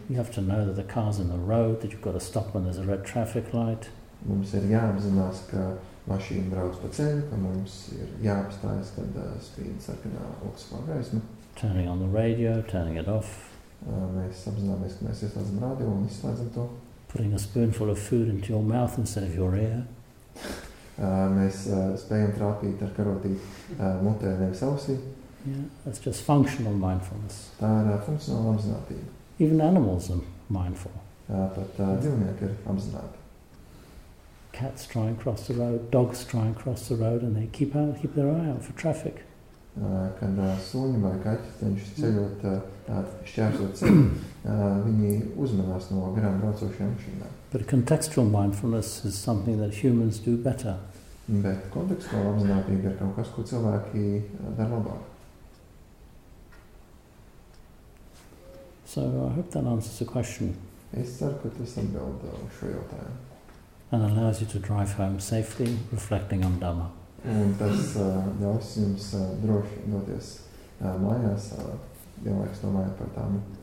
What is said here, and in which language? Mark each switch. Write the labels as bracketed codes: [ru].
[en] You have to know that the car's in the road, that you've got to stop when there's a red traffic light. [lv] Mums ir jāapzinās, ka mašīna brauc pa ceļu, ka mums ir jāapstājas, kad spīd sarkanā augstskola gaisma. [en] Turning on the radio, turning it off. [lv] Mēs apzināmies, ka mēs ieslēdzam radio un izslēdzam to. [en] Putting a spoonful of food into your mouth instead of your ear. [lv] Mēs spējam trāpīt ar karotīti mutē nevis ausī. [en] Yeah, that's just functional mindfulness. [lv] Tā ir funkcionāla apzinātība. [en] Even animals are mindful. [lv] Pat dzīvnieki ir apzināti. [en] Cats try and cross the road, dogs try and cross the road, and they keep their eye out for traffic. [lv] Kad suņi vai kaķi cenšas ceļot, šķērsot ceļu, viņi uzmanās no garām braucošajām mašīnām. [en] But contextual mindfulness is something that humans do better. [lv] Bet kontekstuāla apzinātība ir kaut kas, ko cilvēki dar labāk. [en] So I hope that answers the question. [lv] Es ceru, ka tas atbild šo jautājumu. [en] And allows you to drive home safely, reflecting on Dhamma. [lv] Un tas ļaus jums droši doties mājās, vienlaikus domājot par Dhamma.